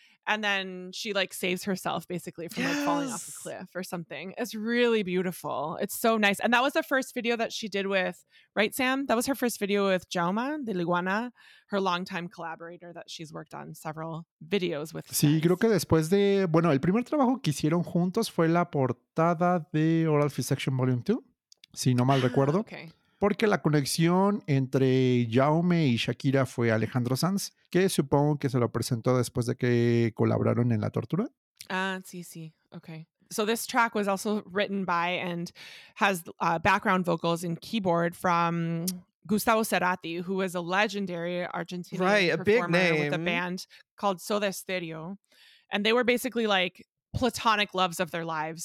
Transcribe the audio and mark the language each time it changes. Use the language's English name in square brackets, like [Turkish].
[English] And then she like saves herself basically from like falling off a cliff or something. It's really beautiful. It's so nice. And that was the first video that she did with, right, Sam? That was her first video with Jaume de Liguana, her longtime collaborator that she's worked on several videos with. [Spanish] Sí, creo que después de, bueno, el primer trabajo que hicieron juntos fue la portada de Oral Fissection Volume 2, si no mal recuerdo. [English] Okay. [Spanish] Porque la conexión entre Jaume y Shakira fue Alejandro Sanz, que supongo que se lo presentó después de que colaboraron en La Tortura. Ah, sí, sí. Okay. [English] So this track was also written by and has background vocals and keyboard from Gustavo Cerati, who was a legendary Argentinian performer, a big name, with a band called Soda Stereo. And they were basically like platonic loves of their lives.